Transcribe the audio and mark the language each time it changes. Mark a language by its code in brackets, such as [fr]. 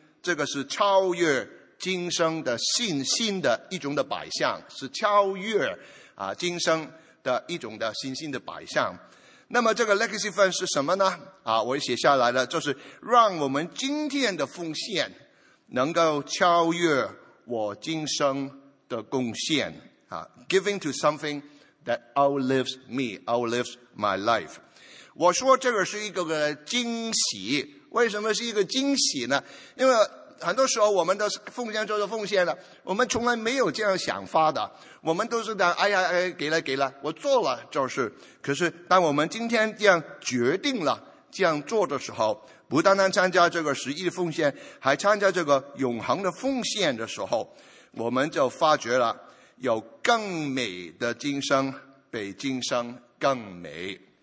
[zh] 这个是超越今生的信心的一种的摆象，是超越今生的一种的信心的摆象。那么这个 Legacy Fund 是什么呢？我写下来了，就是让我们今天的奉献能够超越我今生的贡献。 [en] Giving to something that outlives me, outlives my life. [zh] 我说这个是一个惊喜，为什么是一个惊喜呢？因为很多时候我们的奉献就是奉献了，我们从来没有这样想法的，我们都是讲给了给了，我做了就是。可是当我们今天这样决定了这样做的时候，不单单参加这个十一的奉献，还参加这个永恒的奉献的时候，我们就发觉了有更美的今生比今生更美。